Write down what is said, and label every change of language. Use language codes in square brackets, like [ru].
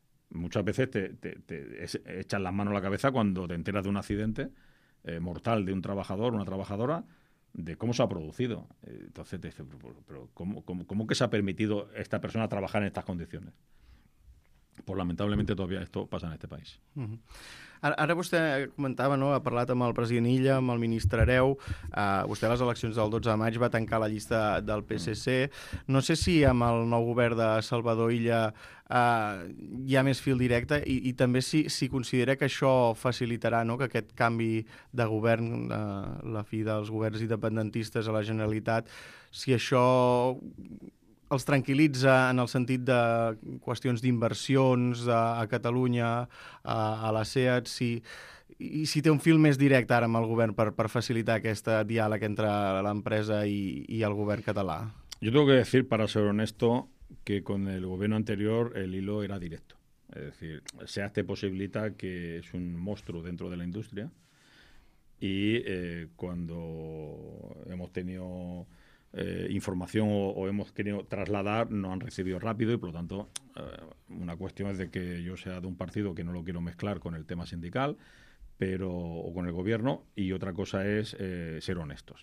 [es] Muchas veces te echan las manos a la cabeza cuando te enteras de un accidente mortal de un trabajador o una trabajadora, de cómo se ha producido. Entonces te dicen, pero ¿cómo que se ha permitido esta persona trabajar en estas condiciones? Pues lamentablemente todavía esto pasa en este país. Uh-huh. [ca] Ara vostè comentava, no?, ha parlat amb el president Illa, amb el ministre Hereu, vostè a les eleccions del 12 de maig va tancar la llista del PSC. No sé si amb el nou govern de Salvador Illa hi ha més fil directe i també si considera que això facilitarà, no?, que aquest canvi de govern, la fi dels governs independentistes a la Generalitat, si això els tranquil·litza en el sentit de qüestions d'inversions a Catalunya, a la SEAT, si té un fil més directe ara amb el govern per facilitar aquest diàleg entre l'empresa i el govern català. [es] Yo tengo que decir, para ser honesto, que con el gobierno anterior el hilo era directo. Es decir, SEAT te posibilita, que es un monstruo dentro de la industria, y cuando hemos tenido información o hemos querido trasladar, no han recibido rápido, y por lo tanto una cuestión es de que yo sea de un partido que no lo quiero mezclar con el tema sindical, pero o con el gobierno, y otra cosa es ser honestos.